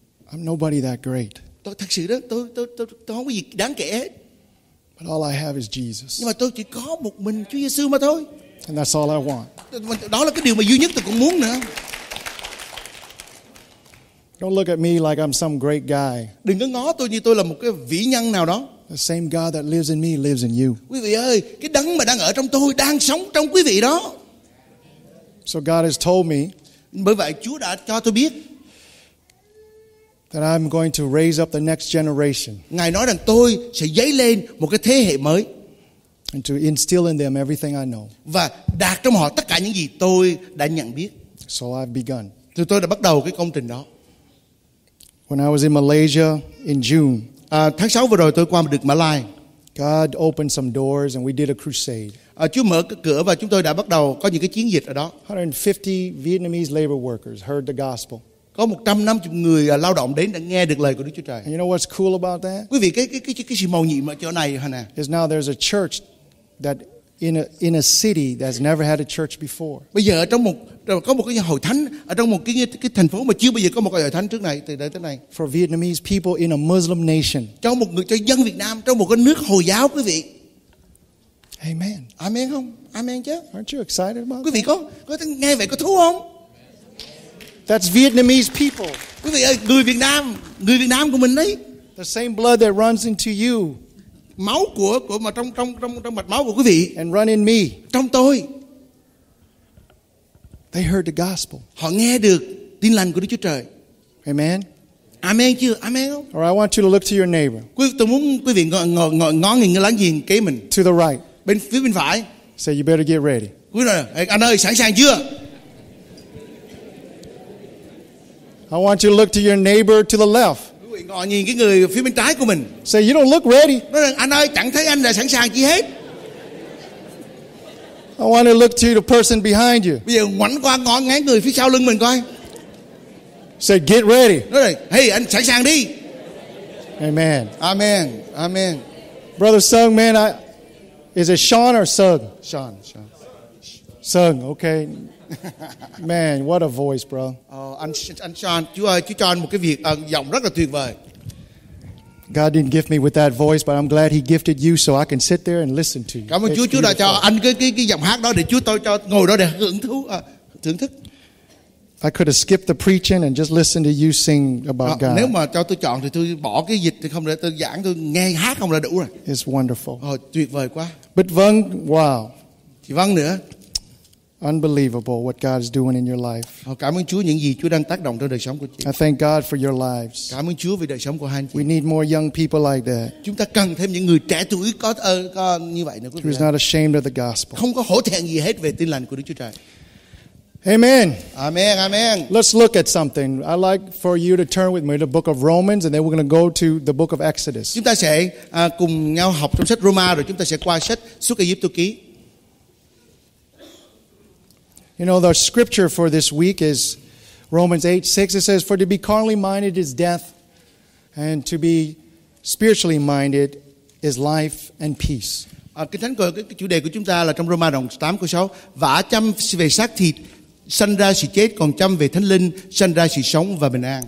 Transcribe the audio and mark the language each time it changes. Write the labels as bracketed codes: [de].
[en] I'm nobody that great. [vi] Tôi thật sự đó, tôi không có gì đáng kể hết. [en] But all I have is Jesus. [vi] Nhưng mà tôi chỉ có một mình Chúa Giêsu mà thôi. [en] And that's all I want. [vi] Đó là cái điều mà duy nhất tôi cũng muốn nữa. [en] Don't look at me like I'm some great guy. [vi] Đừng có ngó tôi như tôi là một cái vĩ nhân nào đó. [en] The same God that lives in me lives in you. [vi] Quý vị ơi, cái đấng mà đang ở trong tôi đang sống trong quý vị đó. [en] So God has told me. [vi] Bởi vậy Chúa đã cho tôi biết. [en] That I'm going to raise up the next generation. [vi] Ngài nói rằng tôi sẽ dấy lên một cái thế hệ mới. [en] And to instill in them everything I know. [vi] Và đặt trong họ tất cả những gì tôi đã nhận biết. [en] So I've begun. [vi] Thì tôi đã bắt đầu cái công trình đó. [en] When I was in Malaysia in June, [vi] tháng 6 vừa rồi tôi qua được Malai. [en] God opened some doors and we did a crusade. [vi] Chúa mở cái cửa và chúng tôi đã bắt đầu có những cái chiến dịch ở đó. [en] 150 Vietnamese labor workers heard the gospel. [vi] Có 150 người lao động đến đã nghe được lời của Đức Chúa Trời. [en] And you know what's cool about that? [vi] Quý vị cái gì màu nhiệm ở chỗ này hả nè? [en] Is now there's a church that in a city that's never had a church before. [vi] Bây giờ có một cái hội thánh ở trong một cái thành phố mà chưa bao giờ có một cái hội thánh trước này từ đây tới này. [en] For Vietnamese people in a Muslim nation. [vi] Cho dân Việt Nam trong một cái nước Hồi giáo quý vị. [en] Amen. [vi] Amen không? Amen chứ. [en] Aren't you excited about? [vi] Quý vị có nghe vậy có thú không? [en] That's Vietnamese people. [vi] Quý vị ơi, người Việt Nam của mình đấy. [en] The same blood that runs into you. [vi] Máu của mà trong mạch máu của quý vị. [en] And run in me. [vi] Trong tôi. [en] They heard the gospel. [vi] Họ nghe được tin lành của Đức Chúa Trời. [en] Amen. [vi] Amen chưa? Amen không? [en] Or I want you to look to your neighbor. [vi] Tôi muốn quý vị ngó nhìn láng giềng kế mình. [en] To the right. [vi] Bên phía bên phải. [en] Say you better get ready. [vi] Quý vị, anh ơi, sẵn sàng chưa? [en] I want you to look to your neighbor to the left. [vi] Ngó nhìn cái người phía bên trái của mình. [en] Say you don't look ready. [vi] Nói rằng anh ơi, chẳng thấy anh là sẵn sàng chi hết. [en] I want to look to the person behind you. [vi] Bây giờ ngoảnh qua ngó ngáy người phía sau lưng mình coi. [en] Say get ready. [vi] Nói rằng hey, anh sẵn sàng đi. [en] Amen. [vi] Amen. Amen. [en] Brother Sung, man, is it Sean or Sung? Sean. Sung, okay. Man, what a voice, bro. [vi] Anh Sean, Chúa cho anh một cái việc giọng rất là tuyệt vời. [en] God didn't gift me with that voice, but I'm glad He gifted you so I can sit there and listen to you. [vi] Cảm ơn Chúa đã cho anh cái giọng hát đó để Chúa tôi cho ngồi đó để thưởng thức. [en] I could have skipped the preaching and just listened to you sing about God. [vi] Nếu mà cho tôi chọn thì tôi bỏ cái dịch thì không để tôi giảng, tôi nghe hát không là đủ rồi. [en] It's wonderful. [vi] Tuyệt vời quá. [en] But Vâng, wow. [vi] Chị Vâng nữa. [en] Unbelievable what God is doing in your life. [vi] Cảm ơn Chúa những gì Chúa đang tác động trong đời sống của chị. [en] I thank God for your lives. [vi] Cảm ơn Chúa vì đời sống của hai anh chị. [en] We need more young people like that. [vi] Chúng ta cần thêm những người trẻ tuổi có như vậy nữa. [en] Who is not ashamed of the gospel. [vi] Không có hổ thẹn gì hết về tin lành của Đức Chúa Trời. [en] Amen. [vi] Amen. Amen. [en] Let's look at something. I'd like for you to turn with me to the book of Romans, and then we're going to go to the book of Exodus. [vi] Chúng ta sẽ cùng nhau học trong sách Roma rồi chúng ta sẽ qua sách Xuất Ai Cập Ký. [en] You know, the scripture for this week is Romans 8:6. It says, for to be carnally minded is death, and to be spiritually minded is life and peace. [vi] Kinh Thánh gọi cái chủ đề của chúng ta là trong Roma đoạn 8 câu 6. Vả chăm về xác thịt, sanh ra sự chết, còn chăm về thánh linh, sanh ra sự sống và bình an.